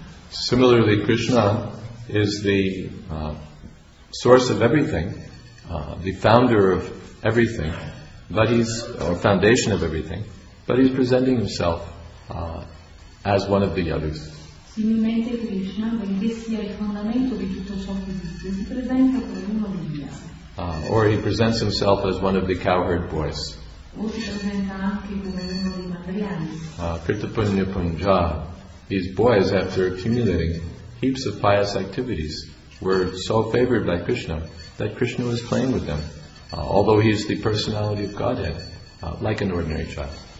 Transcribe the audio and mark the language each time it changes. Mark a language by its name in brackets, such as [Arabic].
[English] Similarly, Krishna is the source of everything, the founder of everything, but he's the foundation of everything. But he's presenting himself as one of the Yadus. [Italian] Similmente Krishna, benché sia il fondamento di tutto ciò che esiste, si presenta come uno degli Yadus. [English] Or he presents himself as one of the cowherd boys. [Italian] O si presenta anche come uno dei materiali. [Sanskrit] Kritapunya Punja, [English] these boys, after accumulating heaps of pious activities, were so favored by Krishna that Krishna was playing with them, although he is the personality of Godhead, like an ordinary child.